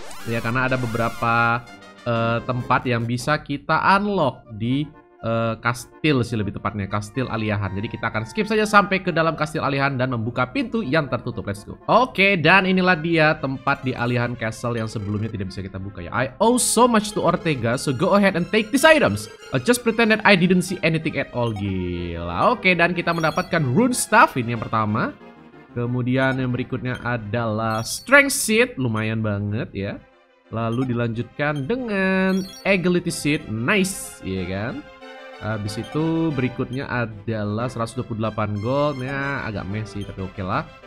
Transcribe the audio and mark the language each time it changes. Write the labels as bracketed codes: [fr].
[id] Ya, karena ada beberapa tempat yang bisa kita unlock di kastil sih lebih tepatnya, kastil Alihan. Jadi kita akan skip saja sampai ke dalam kastil Alihan dan membuka pintu yang tertutup. [en] Let's go. [id] Oke, dan inilah dia tempat di Alihan Castle yang sebelumnya tidak bisa kita buka ya. [en] I owe so much to Ortega, so go ahead and take these items. Just pretend that I didn't see anything at all. [id] Gila. Oke, dan kita mendapatkan rune staff ini yang pertama. Kemudian yang berikutnya adalah strength seed, lumayan banget ya. Lalu dilanjutkan dengan agility seed, nice, iya kan? Habis itu berikutnya adalah 128 gold, ya agak meh sih tapi oke lah.